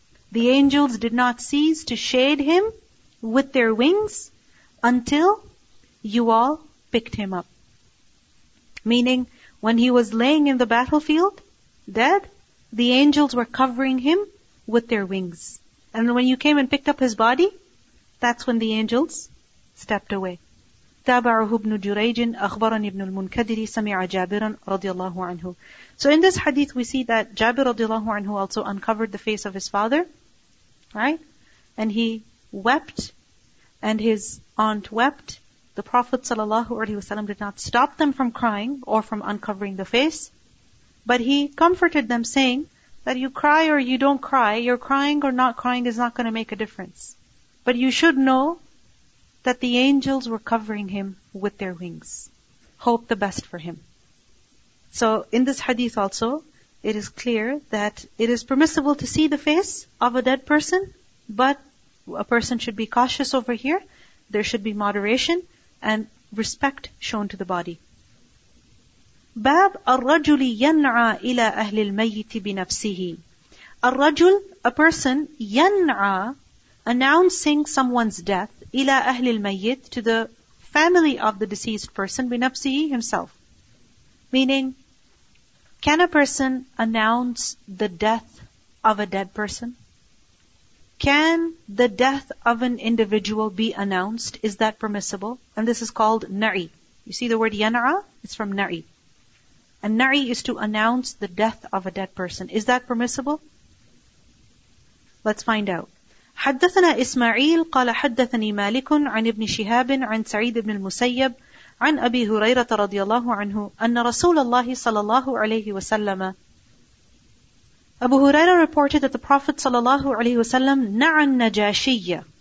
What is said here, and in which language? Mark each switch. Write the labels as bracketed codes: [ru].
[en] The angels did not cease to shade him with their wings until you all picked him up. Meaning, when he was laying in the battlefield, dead, the angels were covering him with their wings. And when you came and picked up his body, that's when the angels stepped away. [ar] تابعه ابن جريج أخبرني ابن المنكدر سمع جابر رضي الله عنه. [en] So in this hadith we see that Jabir [ar] رضي الله عنه [en] also uncovered the face of his father, right? And he wept, and his aunt wept. The Prophet [ar] صلى الله عليه وسلم [en] did not stop them from crying or from uncovering the face, but he comforted them saying that you cry or you don't cry, your crying or not crying is not going to make a difference. But you should know that the angels were covering him with their wings. Hope the best for him. So in this hadith also, it is clear that it is permissible to see the face of a dead person, but a person should be cautious over here. There should be moderation and respect shown to the body. [ar] باب الرجل ينعى إلى أهل الميت بنفسه. [en] الرجل, a person, ينعى, announcing someone's death, [ar] إِلَىٰ أَهْلِ الْمَيِّتِ, [en] to the family of the deceased person, بِنَفْسِهِ, himself. Meaning, can a person announce the death of a dead person? Can the death of an individual be announced? Is that permissible? And this is called na'i. You see the word yan'a? It's from na'i. And na'i is to announce the death of a dead person. Is that permissible? Let's find out. [ar] حدثنا إسماعيل قال حدثني مالك عن ابن شهاب عن سعيد بن المسيب عن أبي هريرة رضي الله عنه أن رسول الله صلى الله عليه وسلم أبو هريرة [en] reported that the Prophet [ar] صلى الله عليه وسلم نعى النجاشي.